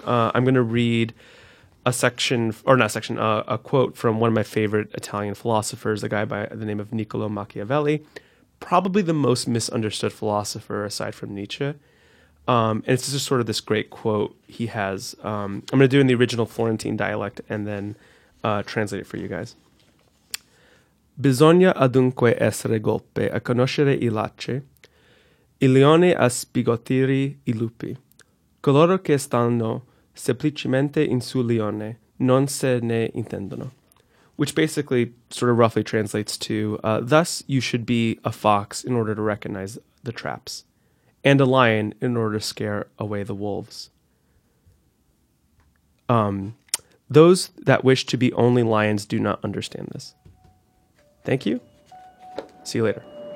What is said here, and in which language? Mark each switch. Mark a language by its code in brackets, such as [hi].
[en] I'm going to read a quote from one of my favorite Italian philosophers, a guy by the name of Niccolo Machiavelli, probably the most misunderstood philosopher aside from Nietzsche. And it's just sort of this great quote he has. I'm going to do it in the original Florentine dialect and then translate it for you guys. [it] Bisogna adunque essere golpe a conoscere I lacci, I leoni a spigottire I lupi, coloro che stanno semplicemente in su leone, non se ne intendono. [en] Which basically sort of roughly translates to, thus you should be a fox in order to recognize the traps, and a lion in order to scare away the wolves. Those that wish to be only lions do not understand this. Thank you. See you later.